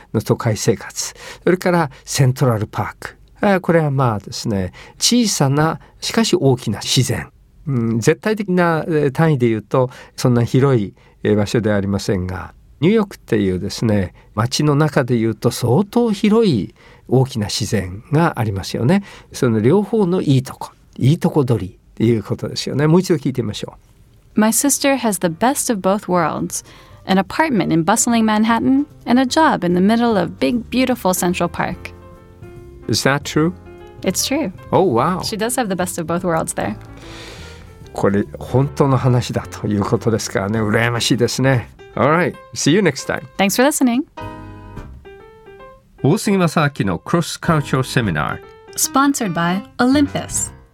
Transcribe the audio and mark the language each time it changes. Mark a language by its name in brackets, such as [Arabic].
[Japanese] の都会生活、それからセントラルパーク、これはまあですね、小さなしかし大きな自然、絶対的な単位で言うとそんな広い場所ではありませんが、ニューヨークっていうですね、街の中で言うと相当広い大きな自然がありますよね。その両方のいいとこ、いいとこ取りということですよね。もう一度聞いてみましょう。 [English] My sister has the best of both worlds. An apartment in bustling Manhattan and a job in the middle of big, beautiful Central Park. Is that true? It's true. Oh, wow. She does have the best of both worlds there. [Japanese] これ本当の話だということですからね。羨ましいですね。 [English] All right. See you next time. Thanks for listening. [Japanese] 大杉正明のクロスカルチャーセミナ [English] ー Sponsored by Olympus.